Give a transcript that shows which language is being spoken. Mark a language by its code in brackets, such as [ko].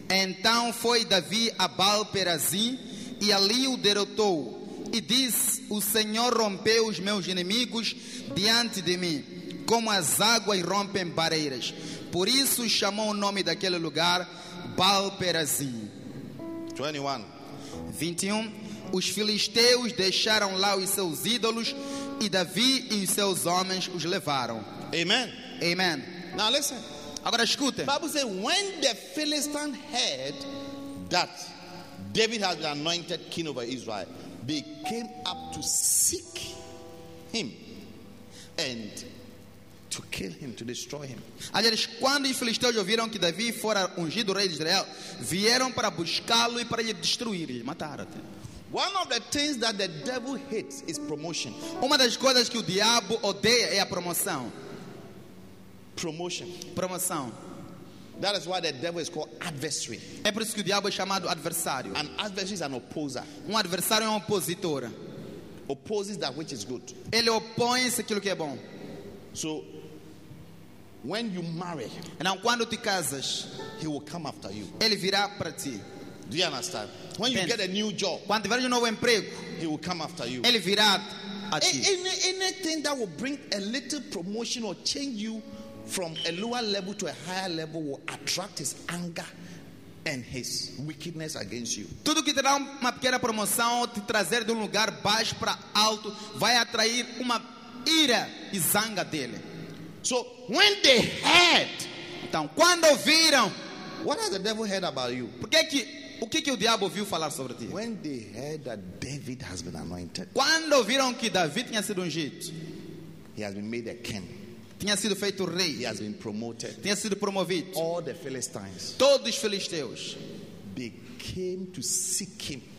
[pt] Então foi Davi a Baal-perazim, e ali o derrotou, e disse: o Senhor rompeu os meus inimigos diante de mim, como as águas rompem barreiras. Por isso chamou o nome daquele lugar Baal-perazim. 21. Os filisteus deixaram lá os seus ídolos, e Davi e os seus homens os levaram. Amen. Amen. [en] Now listen. [pt] Agora escute. [en] Bible says when the Philistine heard that David had been anointed king over Israel, they came up to seek him and to kill him, to destroy him. [pt] Aliás, quando os filisteus ouviram que Davi fora ungido rei de Israel, vieram para buscá-lo e para lhe destruir, lhe matar. [en] One of the things that the devil hates is promotion. [pt] Uma das coisas que o diabo odeia é a promoção. [en] Promotion. [pt] Promoção. [en] That is why the devil is called adversary. [pt] É por isso que o diabo é chamado adversário. [en] An adversary is an opposer. [pt] Adversário é um opositor. [en] Opposes that which is good. [pt] Ele opõe-se àquilo que é bom. [en] So, when you marry, [pt] então quando te casas, [en] he will come after you. [pt] Ele virá para ti. [en] Do you understand? When you get a new job, [pt] quando tiver um novo emprego, [en] he will come after you. [pt] Ele virá a ti. [en] Anything that will bring a little promotion or change you from a lower level to a higher level will attract his anger and his wickedness against you. [pt] Tudo que terá uma pequena promoção ou te trazer de lugar baixo para alto vai atrair uma ira e zanga dele. [en] So when they heard, [pt] então quando ouviram, [en] what has the devil heard about you? [pt] Porque é que o que que o diabo ouviu falar sobre ti? [en] When they heard that David has been anointed, [pt] quando ouviram que Davi tinha sido ungido, [en] he has been made a king, [pt] tinha sido feito rei, [en] he has been promoted, [pt] tinha sido promovido, [en] all the Philistines, [pt] todos os filisteus, [en] they came to seek him,